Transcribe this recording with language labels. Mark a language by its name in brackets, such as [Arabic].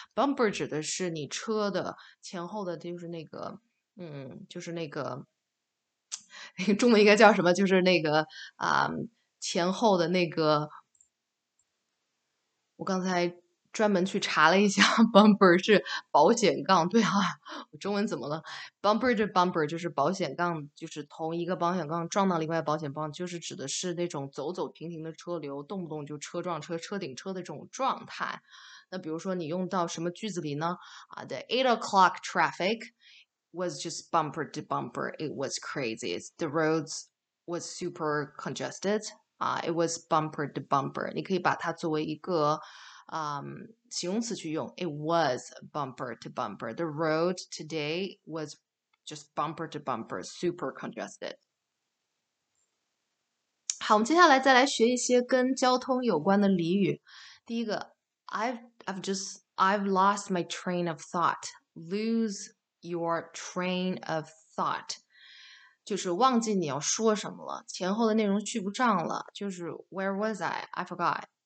[Chinese] Bumper 指的是你车的前后的就是那个就是那个中文应该叫什么，就是那个前后的那个，我刚才专门去查了一下 bumper 是保险杠，对啊，我中文怎么了？ bumper to bumper 就是保险杠，就是同一个保险杠撞到另外保险杠，就是指的是那种走走停停的车流，动不动就车撞车，车顶车的这种状态。那比如说你用到什么句子里呢？ [English] The 8 o'clock traffic was just bumper to bumper. It was crazy. The roads was super congested. It was bumper to bumper. [Chinese] 你可以把它作为一个形容词去用。 [English] It was bumper to bumper. The road today was just bumper to bumper, super congested. [Chinese] 好，我们接下来再来学一些跟交通有关的俚语。第一个 [English] I've lost my train of thought. Lose your train of thought. [Chinese] 就是忘记你要说什么了，前后的内容去不上了，就是 [English] where was I? I forgot.